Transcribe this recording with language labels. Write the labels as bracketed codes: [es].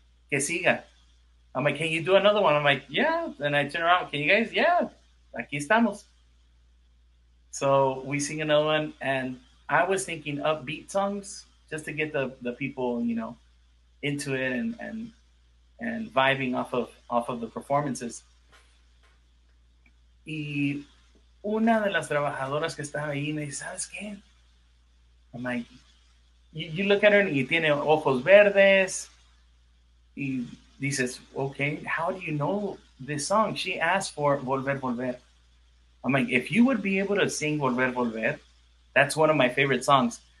[es] Que siga. [en] I'm like, can you do another one? I'm like, yeah. And I turn around. Can you guys? Yeah. [es] Aquí estamos. [en] So we sing another one. And I was thinking upbeat songs just to get the people, you know, into it and vibing off of the performances. [es] Y una de las trabajadoras que estaba ahí me dice, ¿sabes qué? [en] I'm like, you look at her and [es] tiene ojos verdes. [en] Y he says, okay, how do you know this song? She asked for Volver, Volver. I'm like, if you would be able to sing Volver, Volver, that's one of my favorite songs.